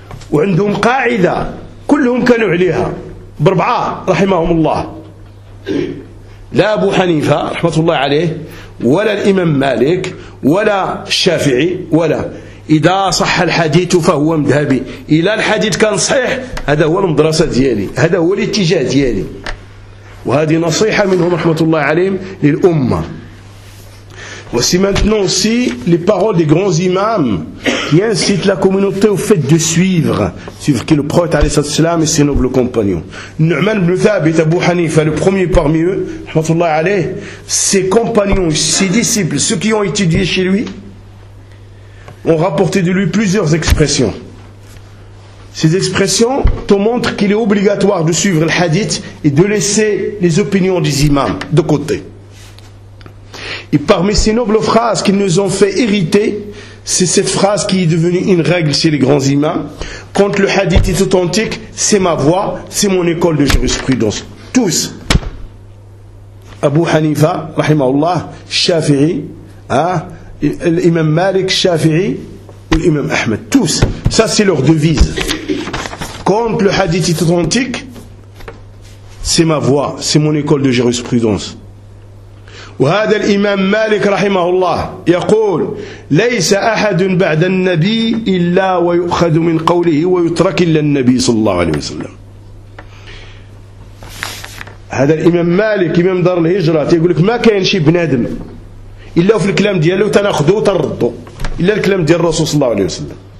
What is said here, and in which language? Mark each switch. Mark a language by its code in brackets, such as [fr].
[ar] وعندهم قاعدة كلهم كانوا عليها بربعة رحمهم الله، لا أبو حنيفة رحمة الله عليه ولا الإمام مالك ولا الشافعي ولا، إذا صح الحديث فهو مذهبي، إلى الحديث كان صحيح هذا هو المدرسة ديالي، هذا هو الاتجاه ديالي. وهذه نصيحة منهم رحمة الله عليهم للأمة. [fr] Voici maintenant aussi les paroles des grands imams qui incitent la communauté au fait de suivre qui le prophète عليه الصلاة والسلام et ses nobles compagnons. Nu'man ibn Thabit Abu Hanifa, le premier parmi eux rahmatullah alayh, ses compagnons, ses disciples, ceux qui ont étudié chez lui ont rapporté de lui plusieurs expressions. Ces expressions te montrent qu'il est obligatoire de suivre le hadith et de laisser les opinions des imams de côté. Et parmi ces nobles phrases qu'ils nous ont fait hériter, c'est cette phrase qui est devenue une règle chez les grands imams. Quand le hadith est authentique, c'est ma voix, c'est mon école de jurisprudence. Tous. Abu Hanifa, rahimahullah, Shafi'i, l'imam Malik, Shafi'i, ou l'imam Ahmed. Tous. Ça, c'est leur devise. Quand le hadith est authentique, c'est ma voix, c'est mon école de jurisprudence. [ar] وهذا الإمام مالك رحمه الله يقول ليس أحد بعد النبي إلا ويؤخذ من قوله ويترك إلا النبي صلى الله عليه وسلم. هذا الإمام مالك إمام دار الهجرة يقولك ما كاين شي بنادم إلا في الكلام ديالو تناخذه وتردو إلا الكلام ديال الرسول صلى الله عليه وسلم.